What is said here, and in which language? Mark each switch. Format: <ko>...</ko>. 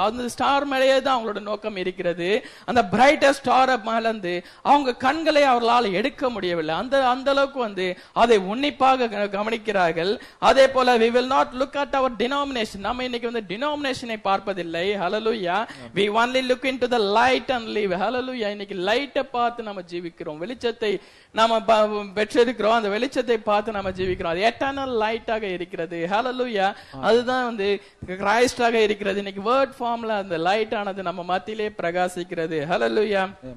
<ta>அந்த ஸ்டார் மேலேயே தான் அவங்களோட நோக்கம் இருக்கிறது. அந்த பிரைட்டஸ்ட் ஸ்டாரை மலர்ந்து அவங்க கண்களை அவர்களால் எடுக்க முடியவில்லை. அந்த அளவுக்கு வந்து அதை உன்னிப்பாக கவனிக்கிறார்கள். அதே போல</ta> <en>We will not look at our denomination.</en> <ta>நம்ம இன்னைக்கு வந்து டினாமினேஷனை பார்ப்பதில்லை.</ta> <en>Hallelujah. We only look into the light and live. Hallelujah.</en> <ta>இன்னைக்கு லைட்டை பார்த்து நாம ஜீவிக்கிறோம். வெளிச்சத்தை நாம பெற்றிருக்கிறோம். அந்த வெளிச்சத்தை பார்த்து நாம ஜீவிக்கிறோம். அது எட்டர்னல் லைட்டாக இருக்கிறது. Hallelujah. அதுதான் வந்து கிறிஸ்டாக இருக்கிறது. இன்னைக்கு வேர்ட் ஃபார்ம்ல அந்த லைட் ஆனது நம்ம மத்தியிலே பிரகாசிக்கிறது. Hallelujah.</ta>